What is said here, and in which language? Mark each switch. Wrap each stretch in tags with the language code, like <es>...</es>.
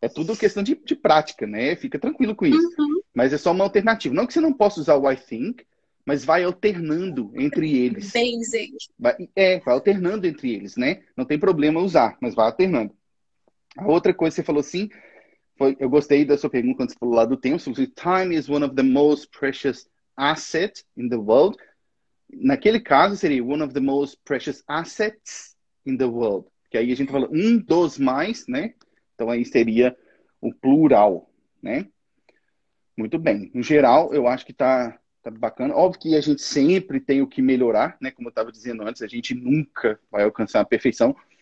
<pt>é tudo questão de prática, né? Fica tranquilo com isso. Mas é só uma alternativa. Não que você não possa usar o</pt> <en>I think,</en> <pt>mas vai alternando entre eles.</pt> <en>Basic.</en> <pt>Vai alternando entre eles, né? Não tem problema usar, mas vai alternando. A outra coisa que você falou assim, foi, eu gostei da sua pergunta quando você falou lá do tempo. Você falou assim,</pt> <en>time is one of the most precious assets in the world.</en> <pt>Naquele caso, seria</pt> <en>one of the most precious assets in the world.</en> <pt>Que aí a gente fala um dos mais, né? Então aí seria o plural, né? Muito bem. No geral, eu acho que tá bacana. Óbvio que a gente sempre tem o que melhorar, né? Como eu estava dizendo antes, a gente nunca vai alcançar a perfeição.</pt>